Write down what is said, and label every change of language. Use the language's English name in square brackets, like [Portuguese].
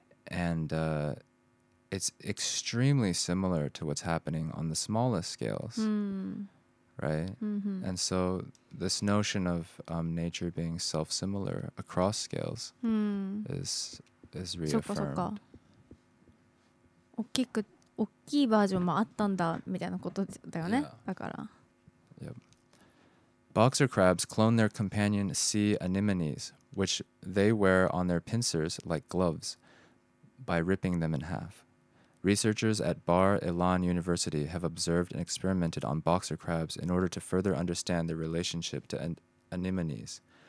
[English] It's extremely similar to what's happening on the smallest scales. Right? Mm-hmm. And so this notion of nature being self-similar across scales is reaffirmed. [Japanese] そっかそっか。大きく大きいバージョンもあったんだみたいなことだよね、 [English] yeah. [Japanese] だから、 [English] yep. Boxer crabs clone their companion sea anemones which they wear on their pincers like gloves by ripping them in halfResearchers at Bar-Ilan University have observed and experimented on boxer crabs in order to further understand their relationship to anemones.